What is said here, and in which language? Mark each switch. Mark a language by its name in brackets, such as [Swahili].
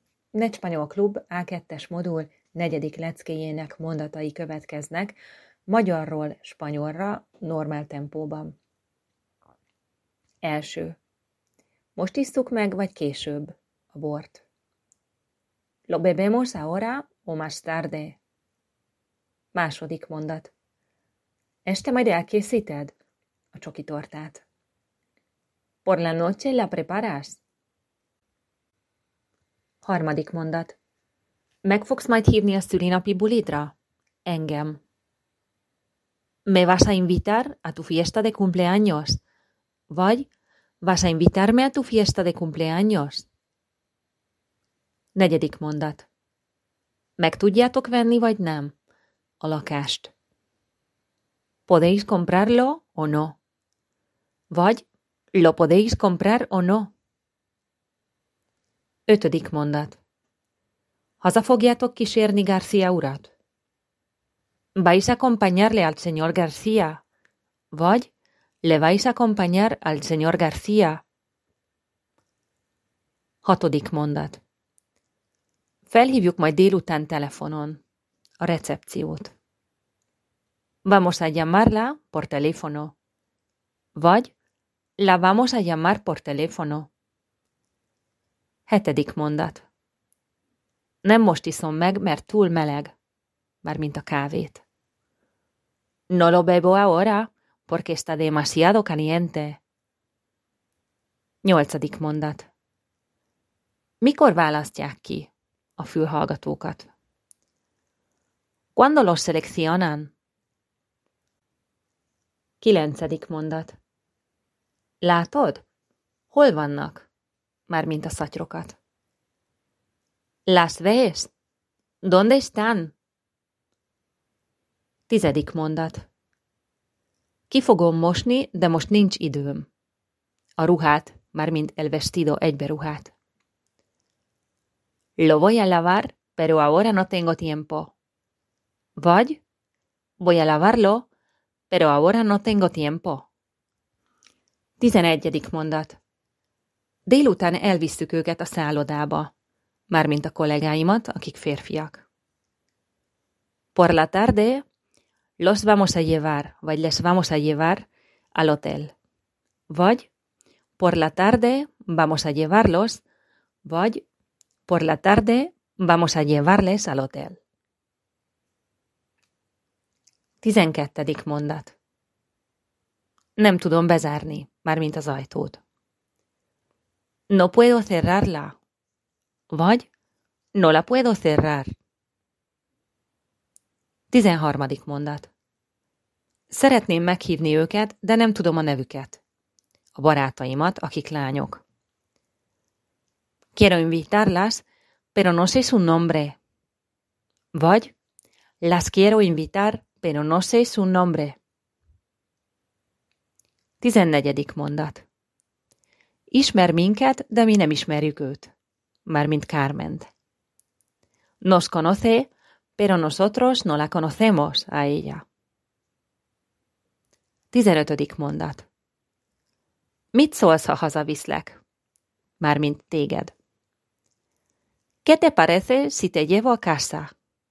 [Hungarian] Necspanyol Klub A2-es modul negyedik leckéjének mondatai következnek, magyarról spanyolra, normál tempóban. Első. Most isszuk meg, vagy később, a bort. [Spanish] Lo bebemos ahora o más tarde. [Hungarian] Második mondat. Este majd elkészíted a csoki tortát. [Spanish] Por la noche la preparas? [Hungarian] Harmadik mondat. Meg fogsz majd hívni a szülinapi bulidra? Engem. [Spanish] Me vas a invitar a tu fiesta de cumpleaños? [Hungarian] Vagy [Spanish] vas a invitarme a tu fiesta de cumpleaños? [Hungarian] Negyedik mondat. Meg tudjátok venni, vagy nem? A lakást. [Spanish] Podéis comprarlo o no? [Hungarian] Vagy [Spanish] lo podéis comprar o no? [Hungarian] Ötödik mondat. Haza fogjátok kísérni García urat? [Spanish] Vais acompañarle al señor García? [Hungarian] Vagy [Spanish] le vais acompañar al señor García? [Hungarian] Hatodik mondat. Felhívjuk majd délután telefonon a recepciót. [Spanish] Vamos a llamarla por teléfono. [Hungarian] Vagy [Spanish] la vamos a llamar por teléfono. [Hungarian] Hetedik mondat. Nem most iszom meg, mert túl meleg, mármint a kávét. [Spanish] No lo bebo ahora, porque está demasiado caliente. [Hungarian] Nyolcadik mondat. Mikor választják ki a fülhallgatókat? [Spanish] ¿Cuándo los seleccionan? [Hungarian] Kilencedik mondat. Látod? Hol vannak? Mármint a szatyrokat. [Spanish] Las ves? ¿Dónde están? [Hungarian] Tizedik mondat. Ki fogom mosni, de most nincs időm. A ruhát, mármint [Spanish] el vestido [Hungarian] egyberuhát. [Spanish] Lo voy a lavar, pero ahora no tengo tiempo. [Hungarian] Vagy [Spanish] voy a lavarlo, pero ahora no tengo tiempo. [Hungarian] Tizenegyedik mondat. Délután elvisszük őket a szállodába, mármint a kollégáimat, akik férfiak. [Spanish] Por la tarde, los vamos a llevar, [Hungarian] vagy [Spanish] les vamos a llevar al hotel. [Hungarian] Vagy, [Spanish] por la tarde, vamos a llevarlos, [Hungarian] vagy, [Spanish] por la tarde, vamos a llevarles al hotel. [Hungarian] Tizenkettedik mondat. Nem tudom bezárni, mármint az ajtót. [Spanish] No puedo cerrarla. [Hungarian] Vagy [Spanish] no la puedo cerrar. [Hungarian] Tizenharmadik mondat. Szeretném meghívni őket, de nem tudom a nevüket. A barátaimat, akik lányok. [Spanish] Quiero invitarlas, pero no sé su nombre. [Hungarian] Vagy [Spanish] las quiero invitar, pero no sé su nombre. [Hungarian] Tizennegyedik mondat. Ismer minket, de mi nem ismerjük őt. Mármint Carment. [Spanish] Nos conoce, pero nosotros no la conocemos a ella. [Hungarian] Tizenötödik mondat. Mit szólsz, ha hazaviszlek? Mármint téged. [Spanish] ¿Qué te parece si te llevo a casa?